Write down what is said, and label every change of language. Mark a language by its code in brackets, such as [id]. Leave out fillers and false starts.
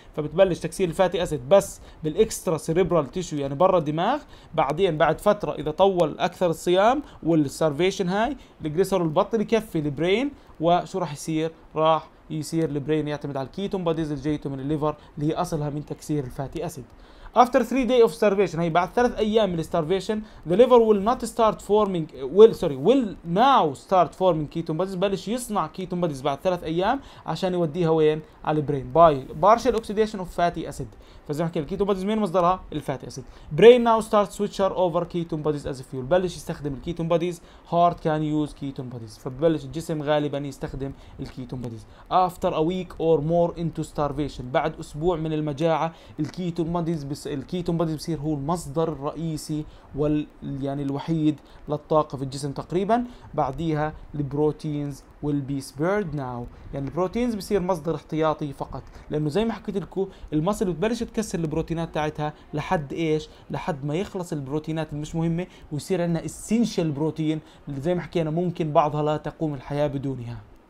[ar] فبتبلش تكسير الفاتي اسيد بس بالاكسترا سيريبرال تيشو يعني برا الدماغ، بعدين بعد فتره اذا طول اكثر الصيام والسرفيشن هاي الجليسرول بطل يكفي البرين، وشو راح يصير؟ راح يصير البرين يعتمد على الكيتون بوديز اللي جايته من الليفر اللي هي اصلها من تكسير الفاتي اسيد. [en] After 3 days of starvation، [ar] هي بعد 3 أيام من [en] starvation، the liver will not start forming will now start forming ketone bodies، [ar] بلش يصنع [en] ketone bodies [ar] بعد 3 أيام عشان يوديها وين؟ على البرين [en] by partial oxidation of fatty acid. [ar] فزي ما حكينا الketone bodies مين مصدرها؟ الفاتي acid. [en] Brain now starts switcher over ketone bodies as a fuel، [ar] بلش يستخدم الketone bodies. [en] Heart can use ketone bodies، [ar] فبلش الجسم غالبا يستخدم الketone bodies. [en] After a week or more into starvation، [ar] بعد أسبوع من المجاعة الketone bodies الكيتون بادي بصير هو المصدر الرئيسي وال يعني الوحيد للطاقة في الجسم تقريبا. بعديها البروتينز [en] will be spared now، [ar] يعني البروتينز بصير مصدر احتياطي فقط، لأنه زي ما حكيت لكم المصل بتبلش تكسر البروتينات تاعتها لحد ايش؟ لحد ما يخلص البروتينات المش مهمة ويصير عندنا essential بروتين اللي زي ما حكينا ممكن بعضها لا تقوم الحياة بدونها.